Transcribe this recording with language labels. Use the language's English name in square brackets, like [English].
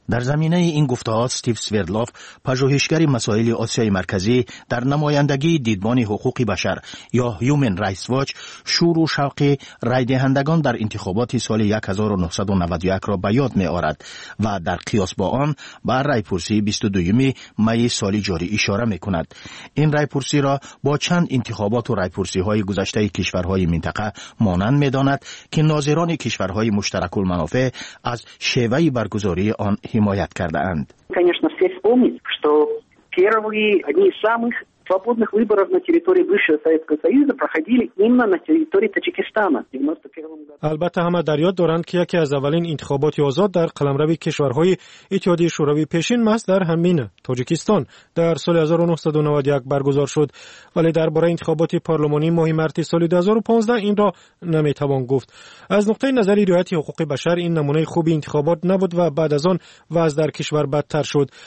[Persian] در زمینه این گفته‌ها استیو سویردلوف، پژوهشگر مسائل آسیای مرکزی در نمایندگی دیدبان حقوق بشر یا هیومن رایتس واچ، شور و شوق رای دهندگان در انتخابات سال 1991 را به یاد می‌آورد و در قیاس با آن به رایپرسی 22 می سال جاری اشاره می‌کند. این رایپرسی را با چند انتخابات و رایپرسی‌های گذشته کشورهای منطقه مانند می‌داند که ناظران کشورهای مشترک المنافع از شیوه برگزاری آن حمایت کرده اند. [Russian] Конечно, все вспомнить, что первые одни из самых свободных выборов на территории бывшего Советского Союза проходили именно на территории Таджикистана в 91 году. [Persian] البته همه در یاد دارند که یکی از اولین انتخابات آزاد در قلمرو کشورهای اتحادیه شوروی پیشین محض در همین تاجیکستان در سال 1991 برگزار شد، ولی درباره انتخابات پارلمانی ماه مارس سال 2015 این را نمیتوان گفت. از نقطه نظر رعایت حقوق بشر این نمونه خوبی انتخابات نبود و بعد از آن وضع در کشور بدتر شد.